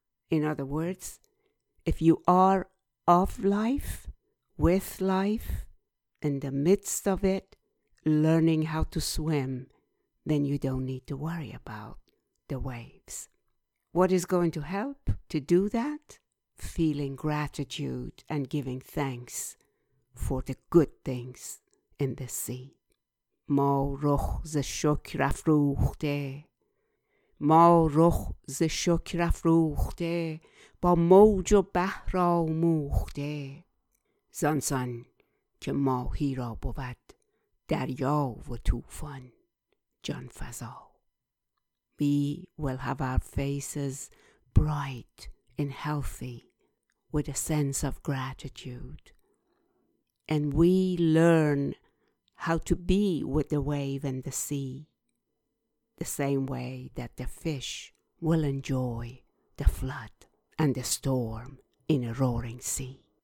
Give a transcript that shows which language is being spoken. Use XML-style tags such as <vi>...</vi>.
<en>In other words, if you are of life, with life, in the midst of it, learning how to swim, then you don't need to worry about the waves. What is going to help to do that? feeling gratitude and giving thanks for the good things in the sea.</en> <fa>ما رخ ز شکر افروخته ما رخ ز شکر افروخته با موج و بحر آموخته زانسان که ماهی را بود دریا و طوفان جان فضا.</fa> <en>We will have our faces bright and healthy with a sense of gratitude. And we learn how to be with the wave and the sea, the same way that the fish will enjoy the flood and the storm in a roaring sea.</en>